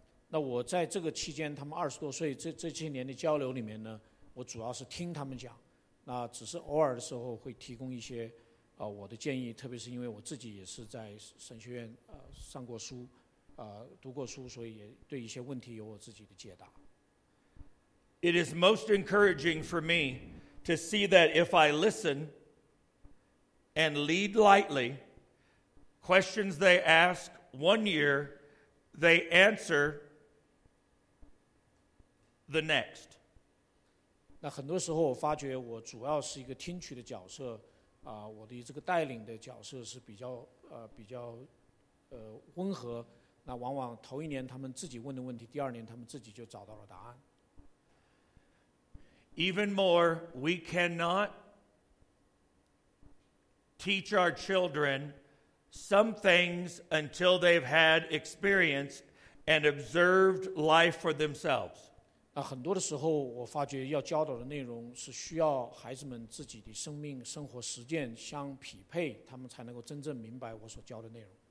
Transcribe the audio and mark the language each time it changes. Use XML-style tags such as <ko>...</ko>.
<zh>那我在这个期间，他们二十多岁，这些年的交流里面呢，我主要是听他们讲，那只是偶尔的时候会提供一些我的建议，特别是因为我自己也是在神学院上过书，读过书，所以也对一些问题有我自己的解答。</zh> <en>It is most encouraging for me to see that if I listen and lead lightly, questions they ask 1 year, they answer the next.</en> <zh>那很多时候我发觉我主要是一个听取的角色，我的这个带领的角色是比较温和，那往往头一年他们自己问的问题，第二年他们自己就找到了答案。</zh> <en>Even more, we cannot teach our children some things until they've had experience and observed life for themselves.</en> <zh>那很多的时候，我发觉要教导的内容是需要孩子们自己的生命生活实践相匹配，他们才能够真正明白我所教的内容。</zh>